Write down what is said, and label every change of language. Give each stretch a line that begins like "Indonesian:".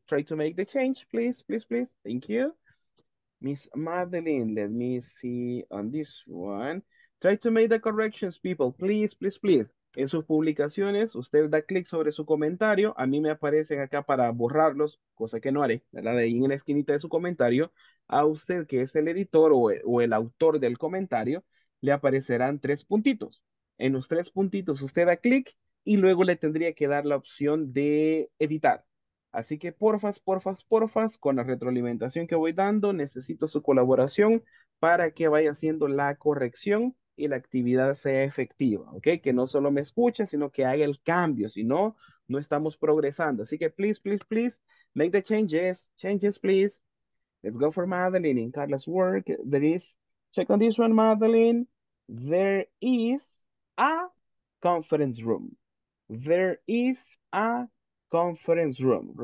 English: Try to make the change, please, please, please. Thank you. Miss Madeline, let me see on this one. Try to make the corrections, people. Please, please, please.
Spanish: En sus publicaciones, usted da clic sobre su comentario. A mí me aparecen acá para borrarlos, cosa que no haré. La de ahí en la esquinita de su comentario. A usted, que es el editor o el autor del comentario, le aparecerán tres puntitos. En los tres puntitos, usted da clic y luego le tendría que dar la opción de editar. Así que porfas, porfas, porfas, con la retroalimentación que voy dando, necesito su colaboración para que vaya haciendo la corrección y la actividad sea efectiva, ¿ok? Que no solo me escuche, sino que haga el cambio, si no, no estamos progresando. Así que
English: please, please, please, make the changes, changes, please. Let's go for Madeline in Carla's work. There is, check on this one, Madeline. There is a conference room. There is a conference room.